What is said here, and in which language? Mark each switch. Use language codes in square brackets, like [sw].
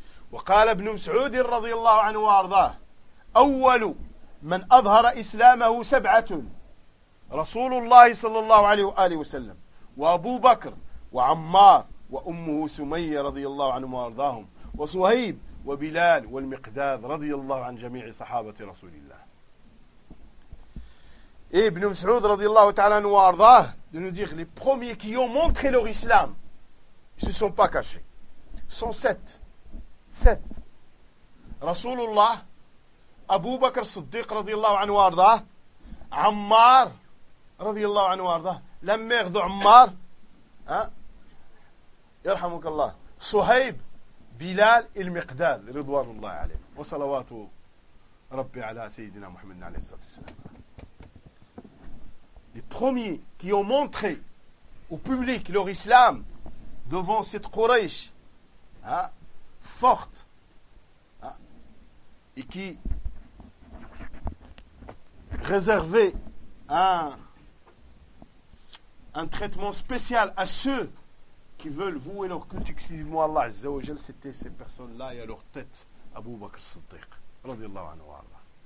[ar] Wa qala ibn Mas'ud, radiyallahu anhu wa Allah, awwalu man adhara islamahu sab'atun, Rasulullah sallallahu alayhi wa sallam, wa Abu Bakr, wa Ammar, وأمه سمية رضي الله عنهم وأرضاهم وصهيب وبلال والمقداد رضي الله عن جميع صحابة رسول الله. ابن مسعود رضي الله تعالى عنه وأرضاه [fr] de nous dire les premiers qui ont montré leur islam, ils se sont pas cachés. Sont sept. [ar] رسول الله أبو بكر الصديق رضي الله عنه وأرضاه عمار رضي الله عنه وأرضاه [fr] la mère de [ar] عمار يرحمك الله صهيب بلال المقداد رضوان الله عليه وصلوات ربي على سيدنا محمد عليه الصلاة والسلام. [fr] Les premiers qui ont montré au public leur islam devant cette Quraysh forte et qui réservait un traitement spécial à ceux qui veulent vouer leur culte exclusivement à Allah Azza wa Jal, c'était ces personnes-là et à leur tête, Abu Bakr Siddiq, radiyallahu anhu wa Allah.